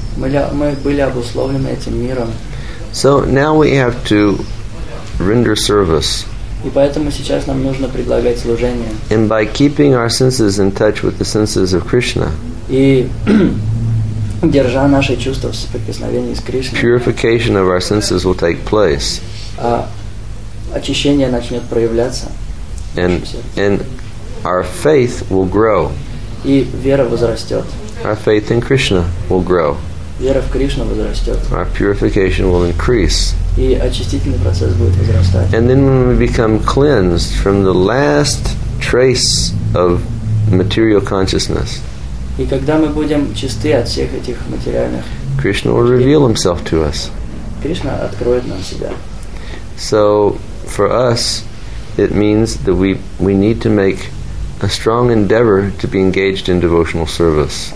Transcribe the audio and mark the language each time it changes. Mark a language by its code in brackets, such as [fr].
[ru] Мы были обусловлены этим миром. [en] So now we have to render service. [ru] И поэтому сейчас нам нужно предлагать служение. [en] And by keeping our senses in touch with the senses of Krishna, [ru] и держа наши чувства в соприкосновении с Кришной, [en] purification of our senses will take place. [ru] Очищение начнет проявляться. [en] And our faith will grow. [ru] И вера возрастет. [en] Our faith in Krishna will grow. [ru] Вера в Кришну возрастет. [en] Our purification will increase. [ru] И очистительный процесс будет возрастать. [en] And then when we become cleansed from the last trace of material consciousness. [ru] И когда мы будем чисты от всех этих материальных. [en] Krishna will reveal himself to us. [ru] Кришна откроет нам себя. [en] So for us, it means that we need to make a strong endeavor to be engaged in devotional service.